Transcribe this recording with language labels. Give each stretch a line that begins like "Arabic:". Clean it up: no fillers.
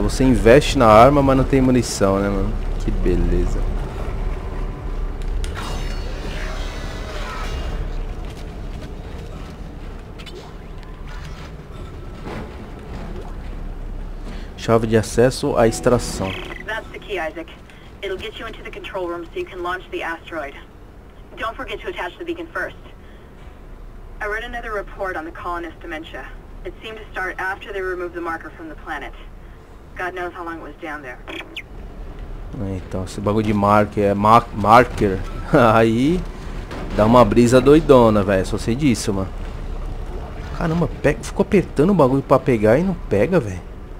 Portuguese: Você investe na arma, mas não tem munição, né, mano? Que beleza. Chave de acesso à extração.
English: Isaac, it'll get you into the control room so you can launch the asteroid. Don't forget to attach the beacon first. I read another report on the colonist dementia. It seemed to start after they removed the marker from the planet. God knows how long it was down there.
Portuguese: Então, esse bagulho de marker é marker. Aí dá uma brisa doidona, velho. Só sei disso, mano. Caramba, pega, ficou apertando o bagulho pra pegar e não pega, velho.